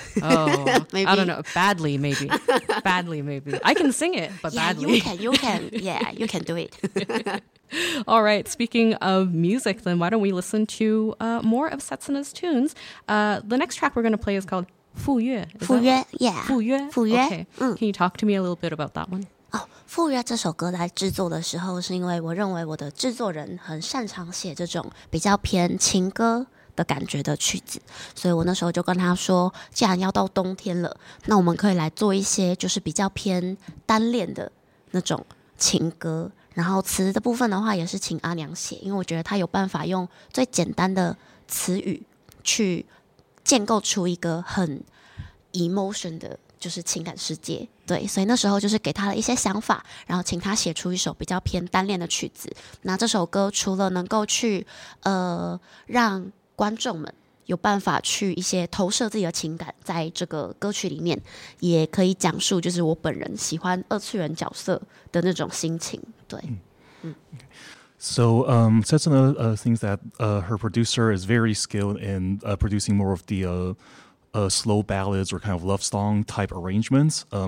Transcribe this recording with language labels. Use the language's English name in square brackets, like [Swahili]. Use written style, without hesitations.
[English] Oh, maybe. I don't know. Badly, maybe. I can sing it, but badly. You can. Yeah, you can do it. All right. Speaking of music, then why don't we listen to more of Setsuna's tunes? The next track we're going to play is called Fuyue. Okay. Can you talk to me a little bit about that one? [Chinese] Oh, Fuyue 这首歌来制作的时候，是因为我认为我的制作人很擅长写这种比较偏情歌的感觉的曲子，所以我那时候就跟他说，既然要到冬天了，那我们可以来做一些就是比较偏单恋的那种情歌。然后词的部分的话，也是请阿娘写，因为我觉得他有办法用最简单的词语去建构出一个很 emotion 的就是情感世界。对，所以那时候就是给他了一些想法，然后请他写出一首比较偏单恋的曲子。那这首歌除了能够去让观众们有办法去一些投射自己的情感在这个歌曲里面，也可以讲述就是我本人喜欢二次元角色的那种心情。对。 [English] So Setsuna thinks that her producer is very skilled in producing more of the slow ballads or kind of love song type arrangements.